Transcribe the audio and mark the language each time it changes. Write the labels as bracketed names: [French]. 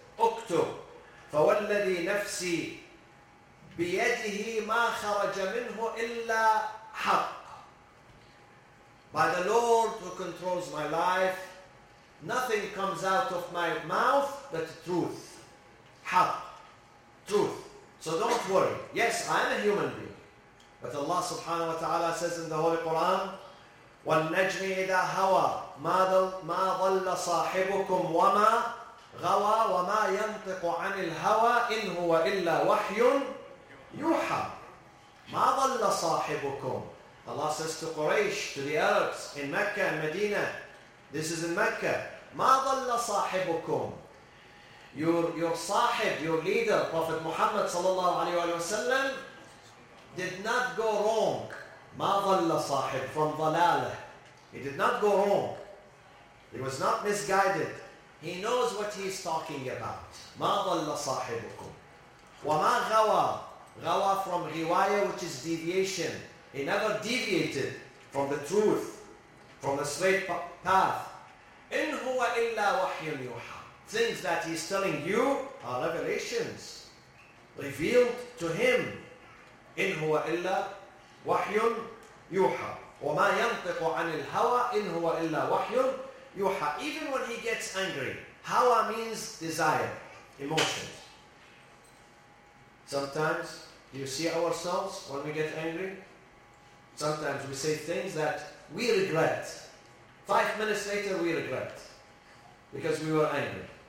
[Arabic] Uktub. فَوَالَّذِي نَفْسِي بِيَدِهِ مَا خَرَجَ مِنْهُ إِلَّا حَقٍّ. [English] By the Lord who controls my life, nothing comes out of my mouth but truth. حَقٍّ. Truth. So don't worry. Yes, I am a human being. But Allah subhanahu wa ta'ala says in the Holy Quran, [Arabic] وَالنَّجْمِ إِذَا هَوَى مَا ضَلَّ صَاحِبُكُمْ وَمَا غَوَى وَمَا يَنْطِقُ عَنِ الْهَوَى إِنْ هُوَ إِلَّا وَحْيٌ يُوحَى مَا ضَلَّ صَاحِبُكُمْ. [English] Allah says to Quraysh, to the Arabs in Mecca and Medina, this is in Mecca, [Arabic] مَا ضَلَّ صَاحِبُكُمْ. [English] Your sahib, your leader, Prophet Muhammad sallallahu alaihi wasallam, did not go wrong. [Arabic] مَا ضَلَّ صَاحِبُ from ضَلَالَة. [English] He did not go wrong. He was not misguided. He knows what he is talking about. [Arabic] مَا ضَلَّ صَاحِبُكُمْ وَمَا غَوَى. [English] غَوَى from غِوَايَة, which is deviation. He never deviated from the truth, from the straight path. [Arabic] إن هو إلا وحي يوحى. [English] Things that he's telling you are revelations revealed to him. [Arabic] إن هو إلا وحي يوحى. وما ينطق عن الهوى إن هو إلا وحي يوحى. [English] Even when he gets angry, هوى means desire, emotions. Sometimes, do you see ourselves when we get angry? Sometimes we say things that we regret. 5 minutes later, we regret because we were angry.